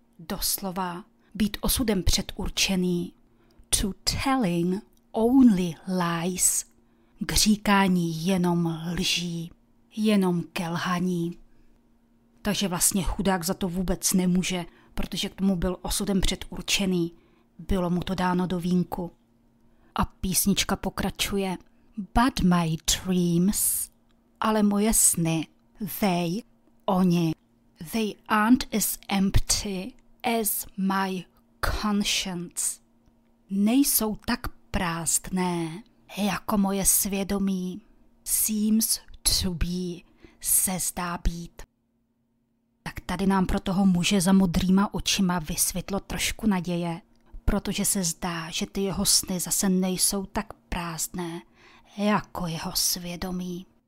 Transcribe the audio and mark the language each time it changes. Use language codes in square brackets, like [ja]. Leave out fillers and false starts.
[cs] Doslova být osudem předurčený [en] to telling only lies, [cs] k říkání jenom lží, jenom kelhaní. Takže vlastně chudák za to vůbec nemůže, protože k tomu byl osudem předurčený, bylo mu to dáno do vínku. A písnička pokračuje. [en] But my dreams, [cs] ale moje sny, [en] they, [cs] oni, [en] they aren't as empty as my conscience. [cs] Nejsou tak prázdné, jako moje svědomí. [en] Seems to be, [cs] se zdá být. Tak tady nám pro toho muže za modrýma očima vysvětlo trošku naděje, protože se zdá, že ty jeho sny zase nejsou tak prázdné, jako jeho svědomí.